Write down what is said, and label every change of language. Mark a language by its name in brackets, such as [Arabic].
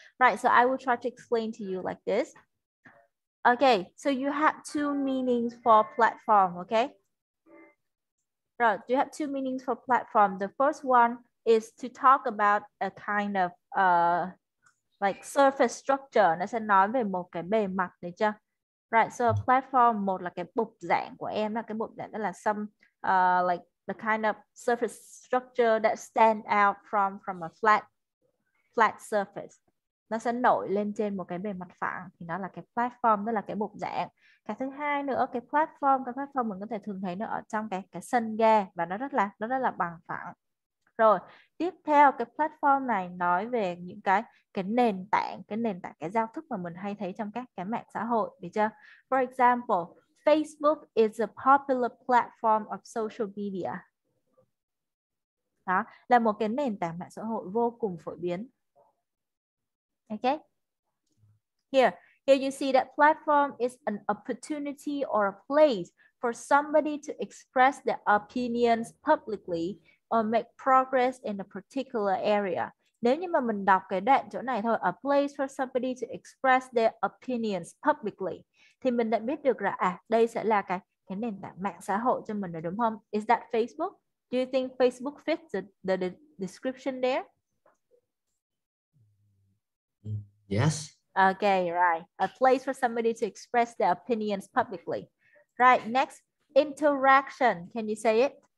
[English] Right, so I will try to explain to you like this. Okay, so you have two meanings for platform, okay? Right, you have two meanings for platform. The first one is to talk about a kind of like surface structure. [Vietnamese] Nó sẽ nói về một cái bề mặt, đấy chưa? Right, so a platform, một là cái bục giảng của em, là cái bục giảng đó là [English] some like the kind of surface structure that stand out from a flat surface. [Vietnamese] Nó sẽ nổi lên trên một cái bề mặt phẳng, thì nó là cái platform, đó là cái bục giảng. Cái thứ hai nữa, cái platform mình có thể thường thấy nó ở trong cái sân ga và nó rất là bằng phẳng. Rồi, tiếp theo cái platform này nói về những cái nền tảng cái giao thức mà mình hay thấy trong các cái mạng xã hội, được chưa? [English] For example, Facebook is a popular platform of social media. [Vietnamese] Đó, là một cái nền tảng mạng xã hội vô cùng phổ biến. [English] Okay. Here you see that platform is an opportunity or a place for somebody to express their opinions publicly or make progress in a particular area. [Vietnamese] Nếu như mà mình đọc cái đoạn chỗ này thôi, [English] a place for somebody to express their opinions publicly, [Vietnamese] thì mình đã biết được là đây sẽ là cái nền tảng mạng xã hội cho mình rồi, đúng không? [English] Is that Facebook? Do you think Facebook fits the description there? Yes. Okay, right. A place for somebody to express their opinions publicly. Right, next, interaction. Can you say it?